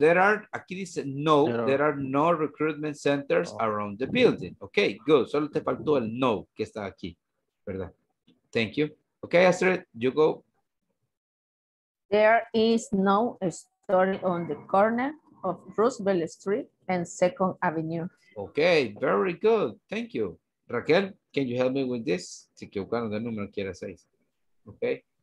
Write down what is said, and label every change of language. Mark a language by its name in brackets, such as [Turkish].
[English] There are, [Spanish] aquí dice no, [English] there are no recruitment centers around the building. Okay, good. [Spanish] Solo te faltó el no que está aquí, ¿verdad? [English] Thank you. Okay, Astrid, you go. There is no store on the corner of Roosevelt Street and Second Avenue. Okay, very good. Thank you. Raquel, can you help me with this? [Spanish] Si equivocaron de número, quiera seis. Okay.